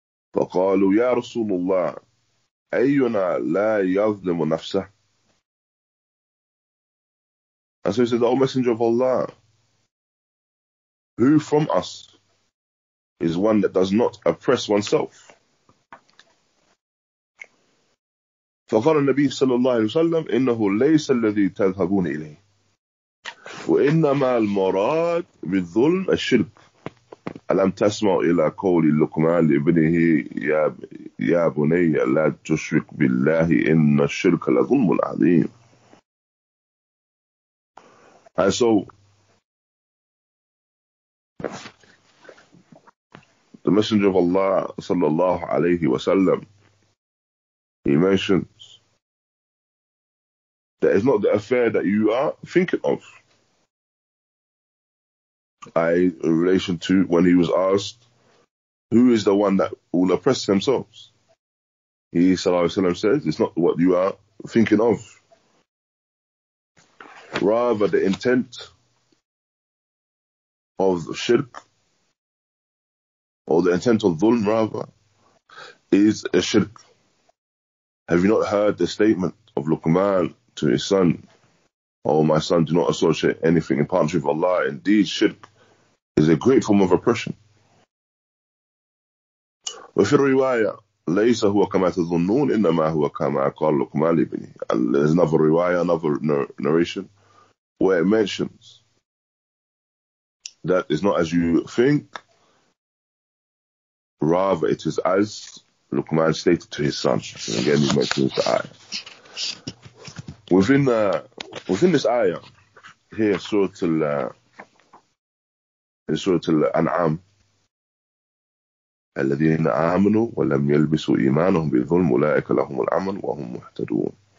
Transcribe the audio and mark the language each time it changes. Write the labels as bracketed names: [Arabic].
[Arabic] فَقَالُوا يَا رَسُولُ اللَّهِ أَيُّنَا لَا يَظْلِمُ نَفْسَهُ. [English] And so he said, O Messenger of Allah, who from us is one that does not oppress oneself? [Arabic] فقال النبي صلى الله عليه وسلم إنه ليس الذي تذهبون إليه وإنما المراد بالظلم الشرك. ألم تسمع إلى قول لقمان لابنه يا بني لا تشرك بالله إن الشرك لظلم عظيم. [English] And so the Messenger of Allah [Arabic] صلى الله عليه وسلم, [English] he mentioned that is not the affair that you are thinking of. In relation to when he was asked, who is the one that will oppress themselves? He, [Arabic] sallallahu alayhi wa sallam, [English] says, it's not what you are thinking of. Rather, the intent of the shirk, or the intent of dhulm, rather, is a shirk. Have you not heard the statement of Luqman to his son, oh my son, do not associate anything in partnership with Allah. Indeed, shirk is a great form of oppression. [Arabic] وفي الرواية ليس هو كما تظنون إنما هو كما قال لقمان لابنه. [English] There's another riwaya, another narration, where it mentions that it's not as you think, rather it is as Luqman stated to his son. And again, he mentions the ayah. Within this ayah here, Surah Al-An'am, [Arabic] الَّذِينَ آمَنُوا وَلَمْ يَلْبِسُوا إِيمَانَهُمْ بِالظُّلْمِ أُولَٰئِكَ لَهُمُ الْأَمْنُ وَهُمْ مُهْتَدُونَ.